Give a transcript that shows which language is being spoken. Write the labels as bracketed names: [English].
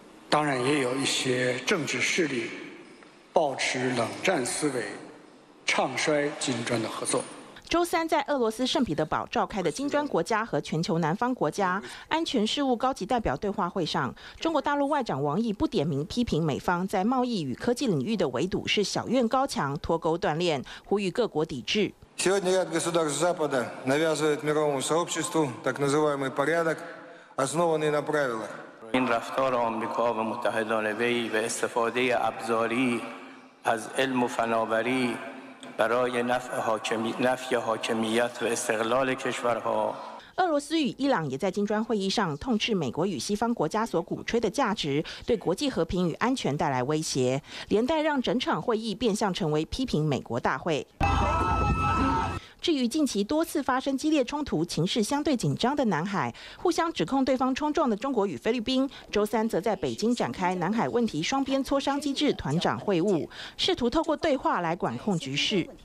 [Chinese] 当然也有一些政治势力抱持冷战思维，唱衰金砖的合作。周三在俄罗斯圣彼得堡召开的金砖国家和全球南方国家安全事务高级代表对话会上，中国大陆外长王毅不点名批评美方在贸易与科技领域的围堵是小院高墙、脱钩断链，呼吁各国抵制。 [Russian] Сегодня ряд государств Запада навязывает мировому сообществу так называемый порядок, основанный на правилах. [Persian] این رفتار آمریکا و متحدان وی و استفاده ابزاری از علم و فناوری برای نفی حاکمیت و استقلال کشورها。 [Chinese] 俄罗斯与伊朗也在金砖会议上痛斥美国与西方国家所鼓吹的价值对国际和平与安全带来威胁，连带让整场会议变相成为批评美国大会。至于近期多次发生激烈冲突、情势相对紧张的南海，互相指控对方冲撞的中国与菲律宾，周三则在北京展开南海问题双边磋商机制团长会晤，试图透过对话来管控局势。